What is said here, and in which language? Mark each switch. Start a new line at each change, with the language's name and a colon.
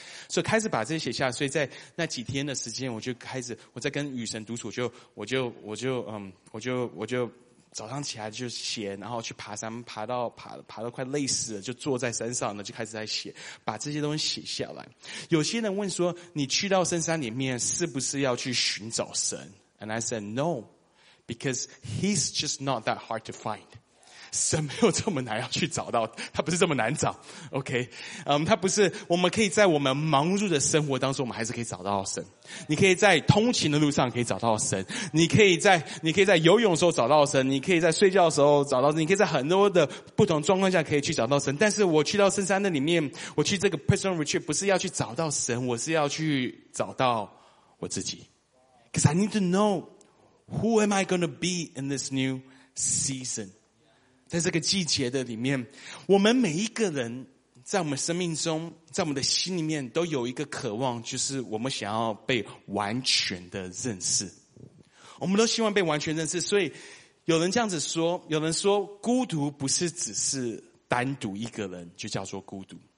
Chinese: 所以开始把这些写下，所以在那几天的时间，我就开始我在跟与神独处，我就早上起来就写，然后去爬山，爬到快累死了，就坐在山上呢，就开始在写，把这些东西写下来。有些人问说，你去到深山里面是不是要去寻找神？
English: And I said no, because he's just not that hard to find.
Chinese: 神没有这么难要去找到，他不是这么难找。OK, 他不是，我们可以在我们忙碌的生活当中，我们还是可以找到神。你可以在通勤的路上可以找到神，你可以在游泳的时候找到神，你可以在睡觉的时候找到神，你可以在很多的不同状况下可以去找到神。但是我去到深山的里面，我去这个 personal retreat 不是要去找到神，我是要去找到我自己。
English: Cause I need to know who am I going to be in this new season.
Chinese: 在这个季节的里面，我们每一个人在我们生命中，在我们的心里面都有一个渴望，就是我们想要被完全的认识。我们都希望被完全认识，所以有人这样子说，有人说孤独不是只是单独一个人就叫做孤独。